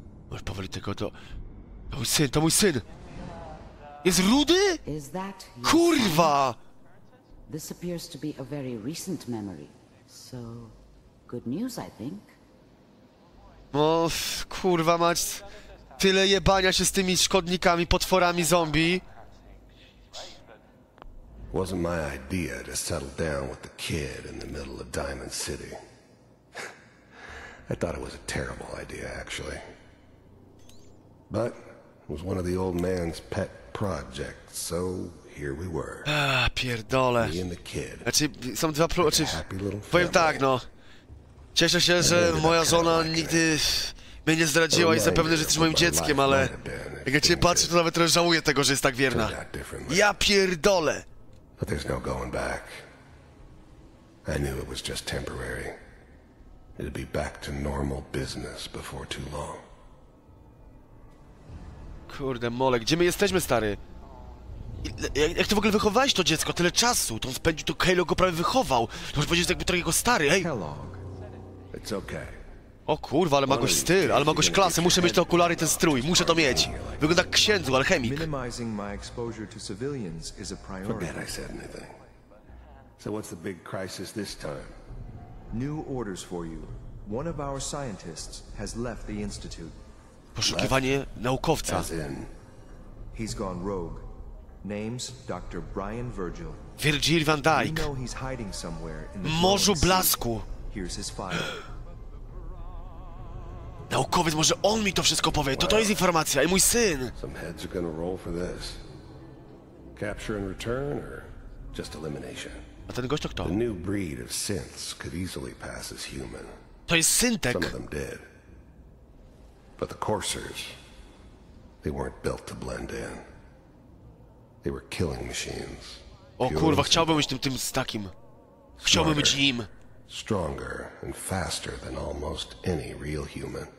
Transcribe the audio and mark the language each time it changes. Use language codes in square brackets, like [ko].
[pl] Może powoli tylko to... To mój syn! Jest Rudy? [en] Is that [pl] kurwa! [en] This appears to be a very recent memory. So, good news, I think. [pl] No, kurwa mać, tyle jebania się z tymi szkodnikami, potworami zombie. [en] Wasn't my idea to settle down with the kid in the middle of Diamond City. I thought it was a terrible idea, actually. But it was one of the old man's pet projects, so here we were. [pl] Pierdole. [en] Me and the kid. [pl] Znaczy, są dwa proczy. Powiem tak, no. Cieszę się, że moja żona nigdy mnie nie zdradziła i zapewne, że jesteś moim dzieckiem, ale jak ja cię patrzę, to nawet trochę żałuję tego, że jest tak wierna. Ja pierdolę! [en] But there's no going back. I knew it was just temporary. It'd be back to normal business before too long. [pl] Kurde, mole, gdzie my jesteśmy, stary? Jak ty w ogóle wychowałeś to dziecko? Tyle czasu! To on spędził, to Kalo go prawie wychował! To może powiedzieć, jakby trochę jego stary, ej! [en] It's okay. [pl] O kurwa, ale ma goś styl, ale ma goś klasę, muszę mieć te okulary, ten strój, muszę to mieć! Wygląda jak księdzu, alchemik! [en] Minimizing my exposure to civilians is a priority. Forget I said anything. So what's the big crisis this time? New orders for you. One of our scientists has left the Institute. [pl] Poszukiwanie naukowca. [en] He's gone rogue. Name's Dr. Brian Virgil. [pl] Virgil van Dijk. [en] We know he's hiding somewhere in the Morzu Blasku. Here's his file. [pl] Naukowiec, może on mi to wszystko powie. To jest informacja i mój syn. [en] Some heads are gonna roll for this. Capture and return or just elimination. [pl] A ten gość to kto? [en] The new breed of synths could easily pass as human. [pl] To jest syntek. [en] Some of them did. But the Coursers, they weren't built to blend in. They were killing machines. [pl] O kurwa, chciałbym być tym z takim. Chciałbym być nim. [en] Stronger and faster than almost any real human.